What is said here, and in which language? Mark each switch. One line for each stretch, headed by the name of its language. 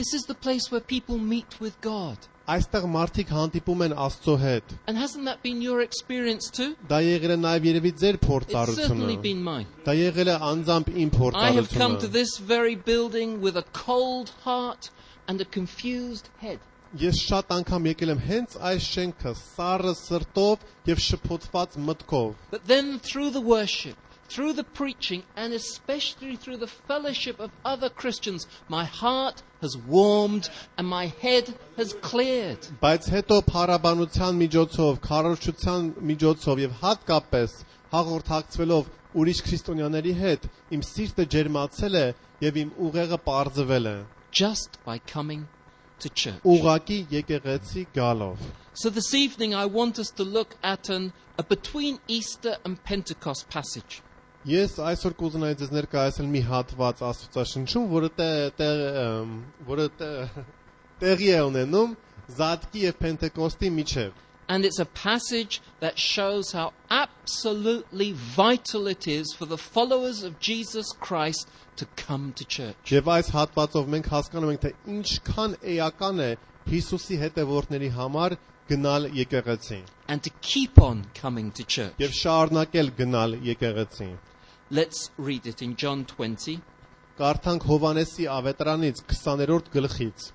English: This is the place where people meet with God.
Armenian: Այստեղ մարդիկ հանդիպում են Աստծո հետ.
English: And hasn't that been your experience too?
Armenian: Դա եղել է նաև երևի ձեր փորձառությունը.
English: It's certainly been mine.
Armenian: Դա եղել է անձամբ իմ փորձառությունը.
English: I have come to this very building with a cold heart and a confused head.
Armenian: Ես շատ անգամ եկել եմ հենց այս շենքը սառը սրտով եւ շփոթված մտքով.
English: But then through the worship, through the preaching and especially through the fellowship of other Christians, my heart has warmed and my head has cleared.
Armenian: Բայց հետո փառաբանության միջոցով, քարոշչության միջոցով եւ հատկապես հաղորդակցվելով ուրիշ քրիստոնյաների հետ, իմ սիրտը ջերմացել է եւ իմ ուղեղը պարզվել է.
English: Just by coming to church.
Armenian: Ուղակի եկեղեցի գալով.
English: So this evening I want us to look at a between Easter and Pentecost passage.
Armenian: Yes, այսօր կուզենայի ձեզ ներկայացնել մի հատված Աստուածաշնչում, որը տեղի է ունենում Զատկի եւ Պենտեկոստի միջև.
English: And it's a passage that shows how absolutely vital it is for the followers of Jesus Christ to come to church.
Armenian: Եվ այս հատվածով մենք հասկանում ենք, թե ինչքան էական է Հիսուսի հետևորդների համար գնալ եկեղեցին.
English: And to keep on coming to church.
Armenian: Եվ շարունակել գնալ եկեղեցին.
English: Let's read it in John 20.
Armenian: Կարդանք Հովանեսի ավետարանից 20-րդ գլխից.